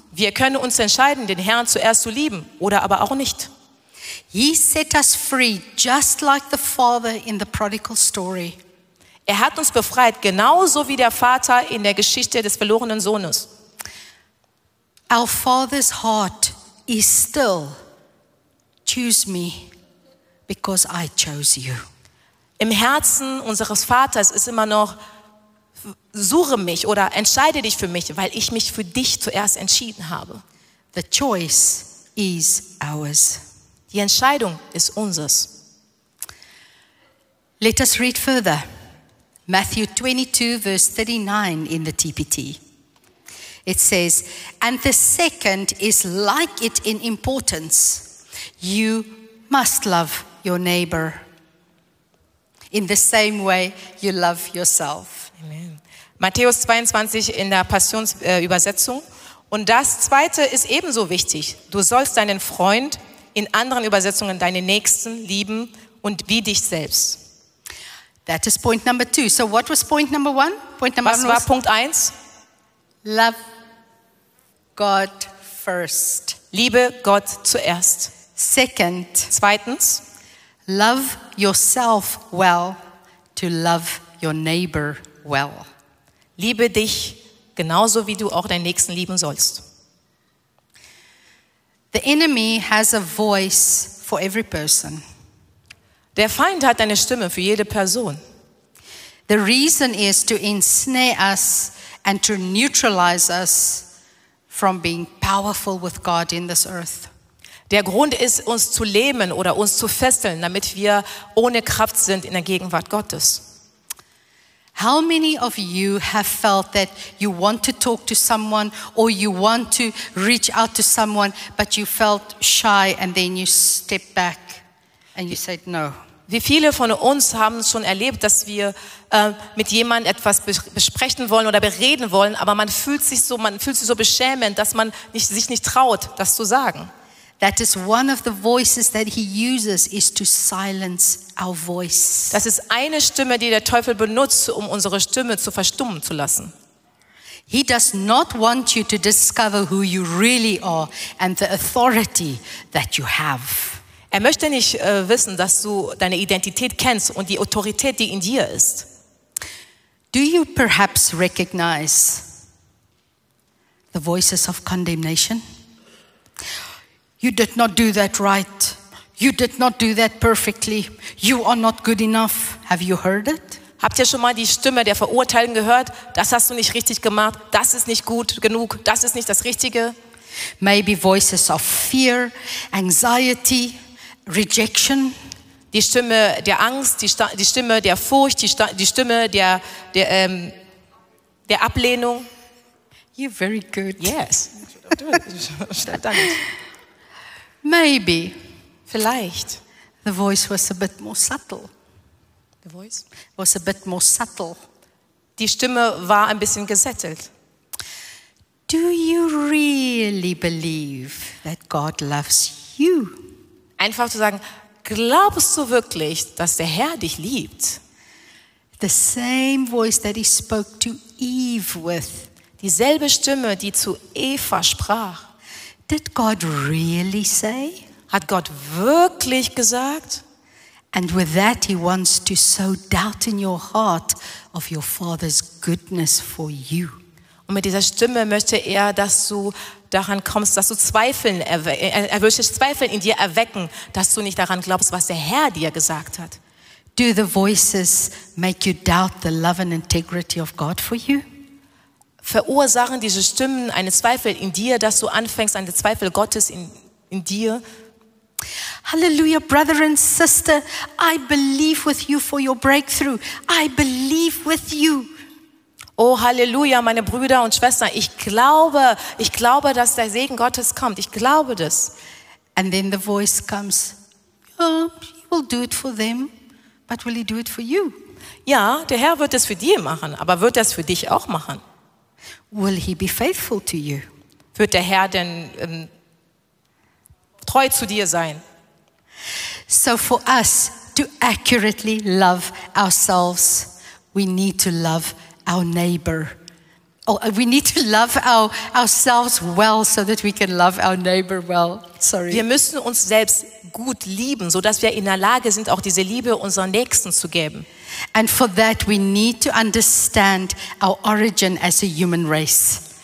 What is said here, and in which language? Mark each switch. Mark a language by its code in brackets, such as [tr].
[de] Wir können uns entscheiden, den Herrn zuerst zu lieben oder aber auch nicht. [en] He set us free, just like the father in the prodigal story. [de] Er hat uns befreit, genauso wie der Vater in der Geschichte des verlorenen Sohnes. [en] Our father's heart is still, choose me because I chose you. [de] Im Herzen unseres Vaters ist immer noch, suche mich oder entscheide dich für mich, weil ich mich für dich zuerst entschieden habe. [en] The choice is ours. [de] Die Entscheidung ist unseres. [en] Let us read further. Matthew 22, verse 39 in the TPT. It says, and the second is like it in importance. You must love your neighbor in the same way you love yourself. Amen. [de] Matthäus 22 in der Passionsübersetzung. Und das zweite ist ebenso wichtig. Du sollst deinen Freund, in anderen Übersetzungen deinen Nächsten lieben und wie dich selbst. [en] That is point number two. So what was point number one? Point number [de] was war Punkt eins? [en] Love God first. [de] Liebe Gott zuerst. [en] Second. [de] Zweitens. [en] Love yourself well to love your neighbor well. [de] Liebe dich genauso, wie du auch deinen Nächsten lieben sollst. [en] The enemy has a voice for every person. [de] Der Feind hat eine Stimme für jede Person. [en] The reason is to ensnare us and to neutralize us from being powerful with God in this earth. [de] Der Grund ist, uns zu lähmen oder uns zu fesseln, damit wir ohne Kraft sind in der Gegenwart Gottes. [en] How many of you have felt that you want to talk to someone or you want to reach out to someone, but you felt shy and then you step back and you said no? [de] Wie viele von uns haben schon erlebt, dass wir mit jemandem etwas besprechen wollen oder bereden wollen, aber man fühlt sich so beschämend, dass man sich nicht traut, das zu sagen. [en] That is one of the voices that he uses is to silence our voice. [de] Das ist eine Stimme, die der Teufel benutzt, um unsere Stimme zu verstummen zu lassen. [en] He does not want you to discover who you really are and the authority that you have. [de] Er möchte nicht wissen, dass du deine Identität kennst und die Autorität, die in dir ist. [en] Do you perhaps recognize the voices of condemnation? You did not do that right. You did not do that perfectly. You are not good enough. Have you heard it? [de] Habt ihr schon mal die Stimme der Verurteilung gehört? Das hast du nicht richtig gemacht. Das ist nicht gut genug. Das ist nicht das Richtige. [en] Maybe voices of fear, anxiety, rejection. [de] Die Stimme der Angst, die Stimme der Furcht, die Stimme der Ablehnung. [en] You're very good. Yes. Maybe. [de] Vielleicht. [en] The voice was a bit more subtle. The voice was a bit more subtle. [de] Die Stimme war ein bisschen gesättelt. [en] Do you really believe that God loves you? [de] Einfach zu sagen, glaubst du wirklich, dass der Herr dich liebt? [en] The same voice that he spoke to Eve with. [de] Dieselbe Stimme, die zu Eva sprach. [en] Did God really say? [de] Hat Gott wirklich gesagt? [en] And with that he wants to sow doubt in your heart of your father's goodness for you. [de] Und mit dieser Stimme möchte er, dass du daran kommst, dass du zweifeln, er möchte Zweifel in dir erwecken, dass du nicht daran glaubst, was der Herr dir gesagt hat. [en] Do the voices make you doubt the love and integrity of God for you? [de] Verursachen diese Stimmen einen Zweifel in dir, dass du anfängst, einen Zweifel Gottes in dir? [en] Halleluja, brother and sister, I believe with you for your breakthrough. I believe with you. [de] Oh, Halleluja, meine Brüder und Schwestern, ich glaube, dass der Segen Gottes kommt. Ich glaube das. [en] And then the voice comes, oh, he will do it for them, but will he do it for you? [de] Ja, der Herr wird es für dich machen, aber wird das für dich auch machen? [en] Will he be faithful to you? [de] Wird der Herr denn treu zu dir sein? [en] So for us to accurately love ourselves, we need to love our neighbor. Oh, we need to love ourselves well so that we can love our neighbor well. Sorry. [de] Wir müssen uns selbst gut lieben, so dass wir in der Lage sind, auch diese Liebe unseren Nächsten zu geben. [en] And for that we need to understand our origin as a human race.